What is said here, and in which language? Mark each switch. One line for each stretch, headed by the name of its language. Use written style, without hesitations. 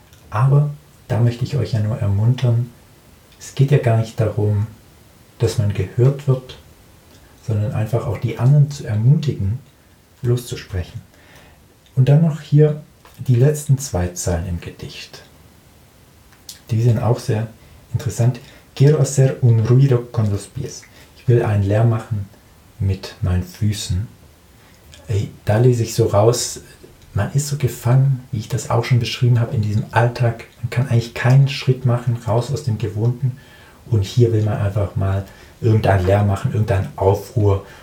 German: Aber da möchte ich euch ja nur ermuntern, es geht ja gar nicht darum, dass man gehört wird, sondern einfach auch die anderen zu ermutigen, loszusprechen. Und dann noch hier die letzten 2 Zeilen im Gedicht. Die sind auch sehr interessant.
Spanish: Quiero hacer un ruido con los pies.
German: Ich will einen Lärm machen mit meinen Füßen. Da lese ich so raus, man ist so gefangen, wie ich das auch schon beschrieben habe, in diesem Alltag. Man kann eigentlich keinen Schritt machen, raus aus dem Gewohnten. Und hier will man einfach mal irgendeinen Lärm machen, irgendeinen Aufruhr.